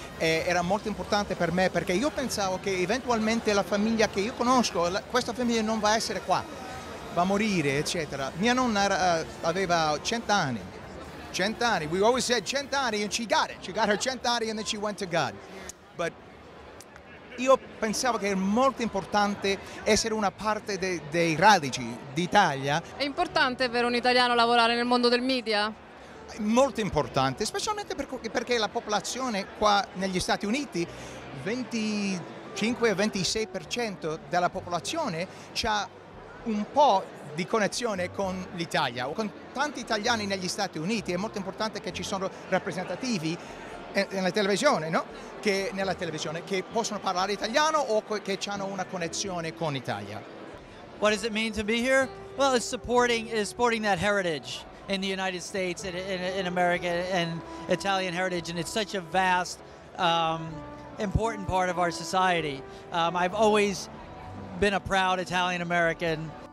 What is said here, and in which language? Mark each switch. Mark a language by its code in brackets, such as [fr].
[it] Era molto importante per me, perché io pensavo che eventualmente la famiglia che io conosco, questa famiglia non va a essere qua, va a morire, eccetera. Mia nonna aveva 100 anni, Cent'anni. [en] We always said cent'anni, and she got it. She got her cent'anni, and then she went to God. [it] But io pensavo che è molto importante essere una parte dei radici d'Italia. È importante per un italiano lavorare nel mondo del media? Molto importante, specialmente perché la popolazione qua negli Stati Uniti, 25-26% della popolazione c'ha un po' di connessione con l'Italia o con tanti italiani negli Stati Uniti. È molto importante che ci sono rappresentativi nella televisione, no? Che nella televisione che possono parlare italiano o che hanno una connessione con l'Italia. [en] What does it mean to be here? Well, it's supporting that heritage in the United States and in America and Italian heritage, and it's such a vast important part of our society. I've always been a proud Italian American.